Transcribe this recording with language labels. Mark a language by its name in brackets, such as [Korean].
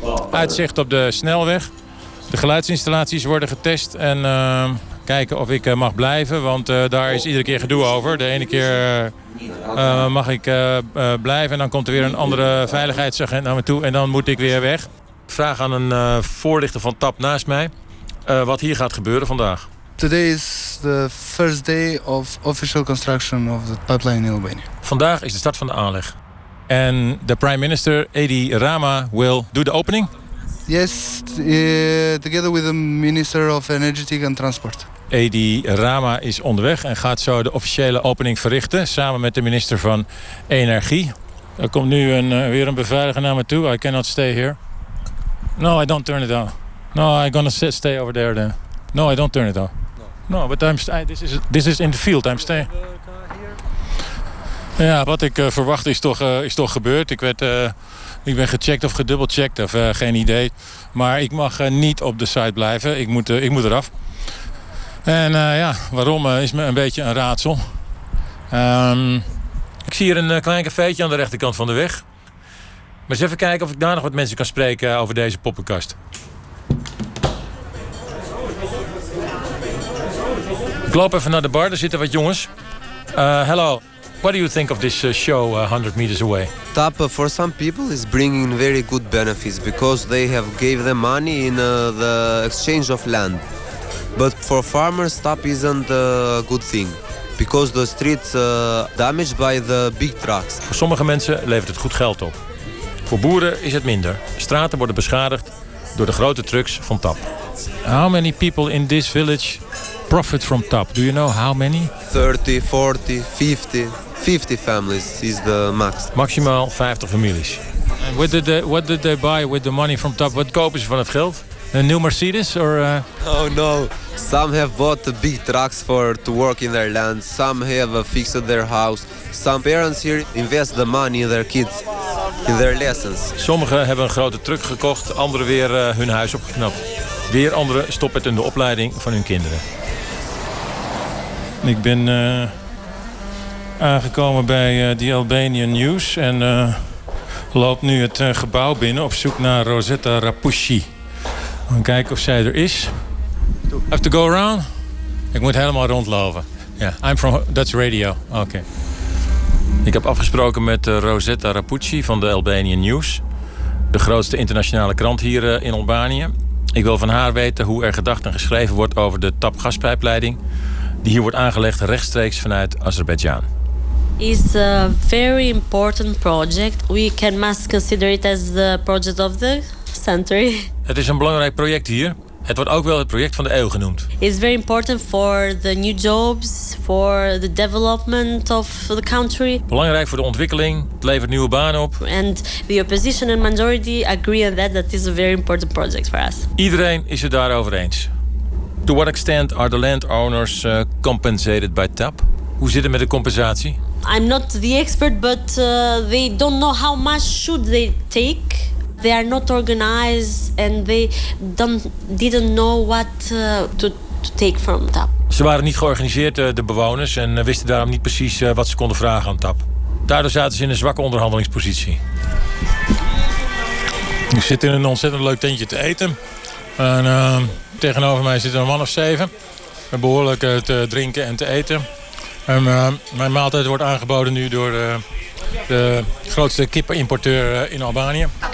[Dutch] Uitzicht op de snelweg. De geluidsinstallaties worden getest en kijken of ik mag blijven, want daar is iedere keer gedoe over. De ene keer mag ik blijven en dan komt er weer een andere veiligheidsagent naar me toe en dan moet ik weer weg. Vraag aan een voorlichter van TAP naast mij wat hier gaat gebeuren vandaag. [English] Today is the first day of official construction of the pipeline in Albania. [Dutch] Vandaag is de start van de aanleg. En de [English] Prime Minister Edi Rama will do the opening? Yes, together with the Minister of Energy and Transport. [Dutch] Edi Rama is onderweg en gaat zo de officiële opening verrichten samen met de minister van Energie. Er komt nu weer een beveiliger naar me toe. [English] I cannot stay here. No, I don't turn it on. No, I'm gonna stay over there then. No, I don't turn it on. No, but this is in the field, I'm staying. [Dutch] Ja, wat ik verwacht is toch gebeurd. Ik ben gecheckt of gedubbelcheckt of geen idee. Maar ik mag niet op de site blijven. Ik moet eraf. En waarom is me een beetje een raadsel. Ik zie hier een klein cafeetje aan de rechterkant van de weg. Maar eens even kijken of ik daar nog wat mensen kan spreken over deze poppenkast. Ik loop even naar de bar, daar zitten wat jongens. [English] Hello, what do you think of this show 100 meters away? TAP for some people is bringing very good benefits because they have gave them money in the exchange of land. But for farmers TAP isn't a good thing because the streets damaged by the big trucks. [Dutch] Voor sommige mensen levert het goed geld op. Voor boeren is het minder. Straten worden beschadigd door de grote trucks van TAP. [English] How many people in this village profit from TAP? Do you know how many? 30, 40, 50. 50 families is the max. [Dutch] Maximaal 50 families. [English] And what did they buy with the money from TAP? [Dutch] Wat kopen ze van het geld? [English] A new Mercedes or Oh no. Some have bought big trucks for to work in their land. Some have fixed their house. Some parents here invest the money in their kids in their lessons. [Dutch] Sommigen hebben een grote truck gekocht, anderen weer hun huis opgeknapt. Weer anderen stoppen het in de opleiding van hun kinderen. Ik ben aangekomen bij The Albanian News en loop nu het gebouw binnen op zoek naar Rosetta Rapushi. Gaan kijken of zij er is. [English] I have to go around? [Dutch] Ik moet helemaal rondlopen. [English] Yeah, I'm from Dutch Radio. Okay. [Dutch] Ik heb afgesproken met Rosetta Rapucci van de Albanian News, de grootste internationale krant hier in Albanië. Ik wil van haar weten hoe er gedacht en geschreven wordt over de tapgaspijpleiding die hier wordt aangelegd rechtstreeks vanuit Azerbeidzjan. [English] It's a very important project. We can must consider it as the project of the century. [Dutch] Het is een belangrijk project hier. Het wordt ook wel het project van de eeuw genoemd. [English] It's very important for the new jobs, for the development of the country. [Dutch] Belangrijk voor de ontwikkeling. Het levert nieuwe banen op. [English] And the opposition and majority agree on that. That is a very important project for us. [Dutch] Iedereen is het daarover eens. [English] To what extent are the landowners compensated by TAP? [Dutch] Hoe zit het met de compensatie? [English] I'm not the expert, but they don't know how much should they take. They are not organized and they didn't know what to take from TAP. [Dutch] Ze waren niet georganiseerd, de bewoners, en wisten daarom niet precies wat ze konden vragen aan TAP. Daardoor zaten ze in een zwakke onderhandelingspositie. Ik zit in een ontzettend leuk tentje te eten. En tegenover mij zit een man of 7. Behoorlijk te drinken en te eten. En mijn maaltijd wordt aangeboden nu door de grootste kippenimporteur in Albanië.